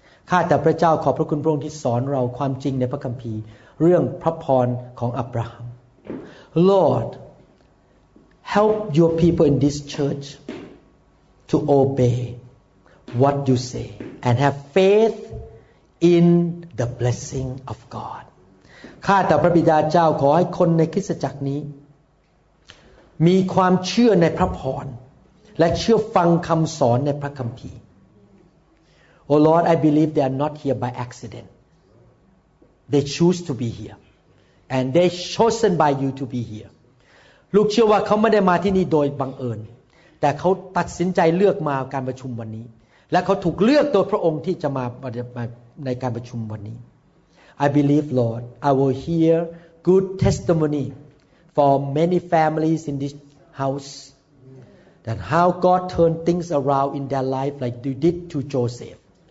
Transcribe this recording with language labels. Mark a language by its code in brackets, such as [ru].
[th] ข้าแต่พระเจ้าขอบพระคุณพระองค์ที่สอนเราความจริงในพระคัมภีร์เรื่องพระพรของอับราฮัม [en] Lord, help your people in this church to obey what you say and have faith in the blessing of God. [th] ข้าแต่พระบิดาเจ้าขอให้คนในคริสตจักรนี้มีความเชื่อในพระพรและเชื่อฟังคำสอนในพระคัมภีร์ [en] Oh Lord, I believe they are not here by accident. They choose to be hereAnd they chosen by you to be here. [th] ลูกเชื่อว่าเขาไม่ได้มาที่นี่โดยบังเอิญแต่เขาตัดสินใจเลือกมาการประชุมวันนี้และเขาถูกเลือกโดยพระองค์ที่จะมาในการประชุมวันนี้ [en] I believe Lord I will hear good testimony for many families in this house that how God turned things around in their life like you did to Joseph.